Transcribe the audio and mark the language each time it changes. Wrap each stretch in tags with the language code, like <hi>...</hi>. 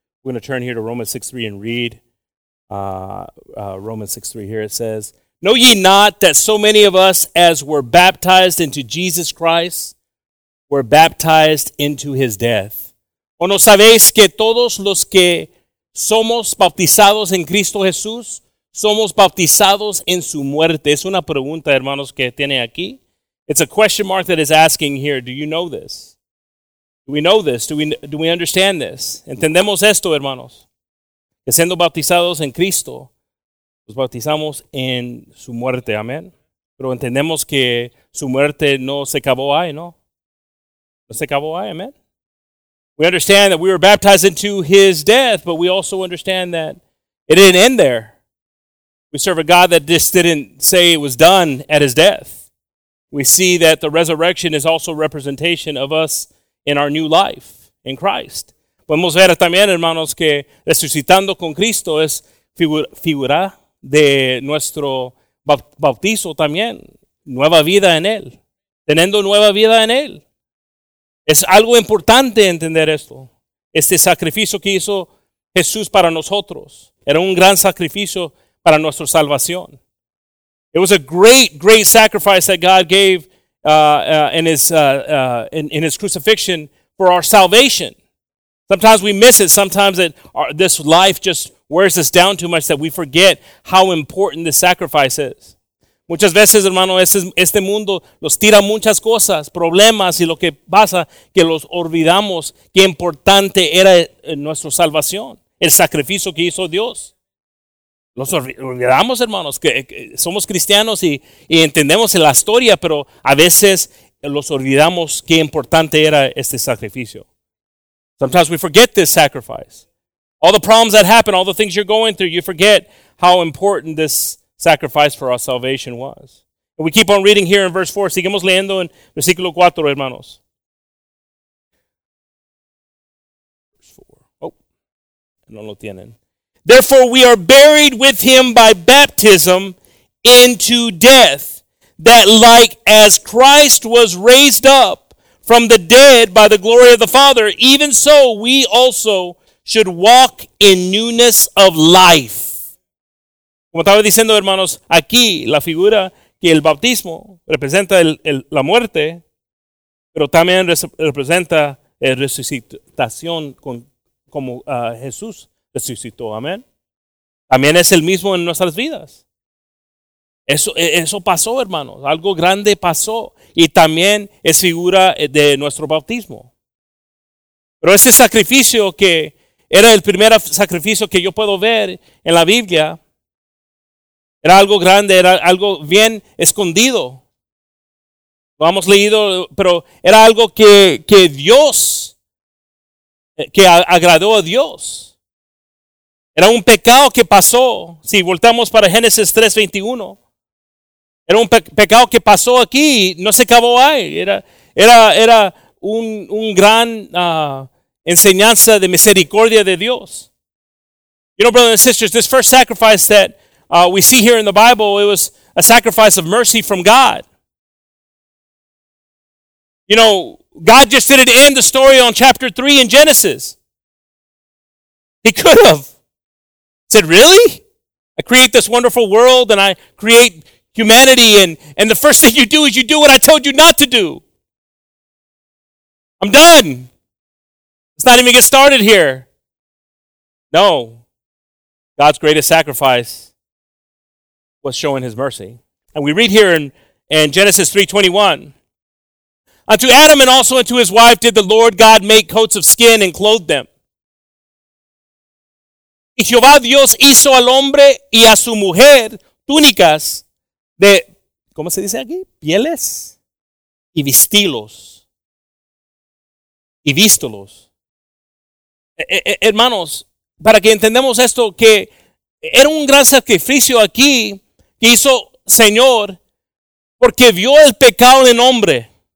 <en>We're going to turn here to Romans 6:3 and read Romans 6:3 here. It says, "Know ye not that so many of us as were baptized into Jesus Christ were baptized into his death?</en> <es>¿O no sabéis que todos los que somos bautizados en Cristo Jesús, somos bautizados en su muerte"? Es una pregunta, hermanos, que tiene aquí.</es> <en>It's a question mark that is asking here, do you know this? Do we know this? Do we understand this?</en> <es>¿Entendemos esto, hermanos? Que siendo bautizados en Cristo, nos bautizamos en su muerte, amén. Pero entendemos que su muerte no se acabó ahí, ¿no? No se acabó ahí, amén.</es> <en>We understand that we were baptized into his death, but we also understand that it didn't end there. We serve a God that just didn't say it was done at his death. We see that the resurrection is also a representation of us in our new life in Christ.</en> <es>Podemos ver también, hermanos, que resucitando con Cristo es figura de nuestro bautizo también. Nueva vida en él. Teniendo nueva vida en él. Es algo importante entender esto. Este sacrificio que hizo Jesús para nosotros era un gran sacrificio para nuestra salvación.</es> <en>It was a great, great sacrifice that God gave in his crucifixion for our salvation. Sometimes we miss it. Sometimes this life just wears us down too much that we forget how important this sacrifice is.</en> <es>Muchas veces, hermano, este mundo nos tira muchas cosas, problemas, y lo que pasa que los olvidamos qué importante era nuestra salvación, el sacrificio que hizo Dios. Los olvidamos, hermanos, que somos cristianos y entendemos la historia, pero a veces los olvidamos qué importante era este sacrificio.</es> <en>Sometimes we forget this sacrifice. All the problems that happen, all the things you're going through, you forget how important this sacrifice for our salvation was. And we keep on reading here in verse 4.</en> <es>Seguimos leyendo en versículo 4, hermanos.</es> <en>Verse 4.</en> <es>Oh, no lo tienen.</es> <en>Therefore, we are buried with him by baptism into death, that like as Christ was raised up from the dead by the glory of the Father, even so we also should walk in newness of life.</en> <es>Como estaba diciendo, hermanos, aquí la figura que el bautismo representa la muerte, pero también representa la resucitación como Jesús resucitó. Amén. También es el mismo en nuestras vidas. Eso pasó, hermanos. Algo grande pasó. Y también es figura de nuestro bautismo. Pero ese sacrificio que era el primer sacrificio que yo puedo ver en la Biblia, era algo grande, era algo bien escondido. Lo hemos leído, pero era algo que Dios, que agradó a Dios. Era un pecado que pasó. Si voltamos para Génesis 3:21, era un pecado que pasó aquí, no se acabó ahí. Era un gran enseñanza de misericordia de Dios.</es> <en>You know, brothers and sisters, this first sacrifice that we see here in the Bible, it was a sacrifice of mercy from God. You know, God just didn't end the story on chapter 3 in Genesis. He could have. Said, really? I create this wonderful world and I create humanity, and the first thing you do is you do what I told you not to do. I'm done. Let's not even get started here. No. God's greatest sacrifice was showing his mercy. And we read here in Genesis 3:21, unto Adam and also unto his wife did the Lord God make coats of skin and clothed them.</en> <es>Y Jehová Dios hizo al hombre y a su mujer túnicas de, ¿cómo se dice aquí? Pieles y vistilos. Y vístolos. Hermanos, para que entendamos esto, que era un gran sacrificio aquí que hizo Señor porque vio el pecado en hombre.</es>